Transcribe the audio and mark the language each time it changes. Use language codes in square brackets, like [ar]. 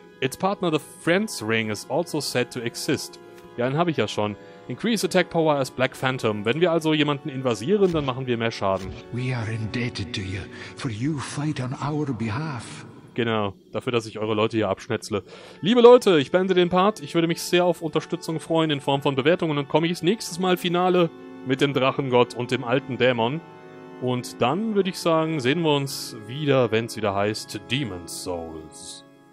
[en] Its partner, the Friends Ring, is also said to exist. [de] Ja, den habe ich ja schon. [en] Increase Attack Power as Black Phantom. [de] Wenn wir also jemanden invasieren, dann machen wir mehr Schaden. [en] We are indebted to you, for you fight on our behalf. [de] Genau, dafür, dass ich eure Leute hier abschnetzle. Liebe Leute, ich beende den Part. Ich würde mich sehr auf Unterstützung freuen in Form von Bewertungen und Kommis. Nächstes Mal Finale mit dem Drachengott und dem alten Dämon. Und dann würde ich sagen, sehen wir uns wieder, wenn es wieder heißt Demon's Souls.